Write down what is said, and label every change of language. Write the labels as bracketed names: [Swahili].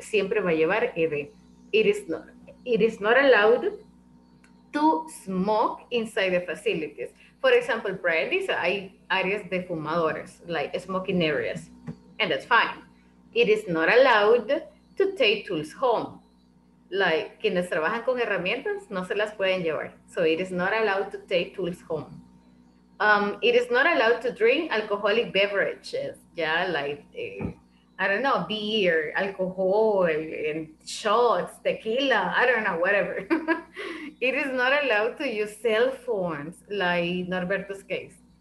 [English] Siempre va a llevar ed. It is not allowed to smoke inside the facilities. For example, Brian, these are areas de fumadores, like smoking areas. And that's fine. It is not allowed to take tools home. [Spanish] Like, quienes trabajan con herramientas no se las pueden llevar. [English] So it is not allowed to take tools home. It is not allowed to drink alcoholic beverages. Yeah, like, I don't know, beer, alcohol, and shots, tequila, I don't know, whatever. It is not allowed to use cell phones, like Norberto's case.